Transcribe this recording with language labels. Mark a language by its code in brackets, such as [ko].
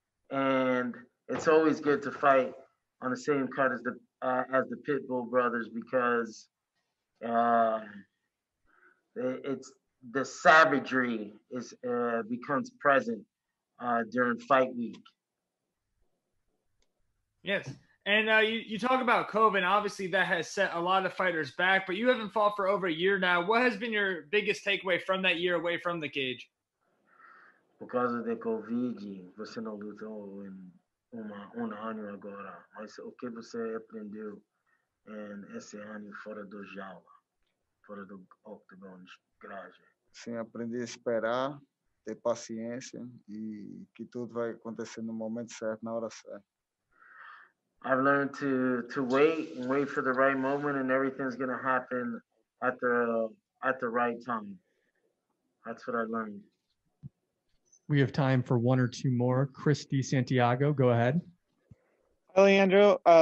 [en] And it's always good to fight on the same card as the Pitbull Brothers, because it's the savagery is becomes present during fight week. Yes. And you talk about COVID. Obviously, that has set a lot of fighters back, but you haven't fought for over a year now. What has been your biggest takeaway from that year away from the cage? [pt] Por causa de COVID, você não lutou em um ano agora. Mas o que você aprendeu em esse ano fora do jaula, fora do octagon, grade? Sim, aprendi a esperar, ter paciência e que tudo vai acontecer no momento certo, na hora certa. [en] I've learned to wait for the right moment, and everything's going to happen at the right time. That's what I learned. We have time for one or two more. Chris D. Santiago, go ahead. Hi, Leandro.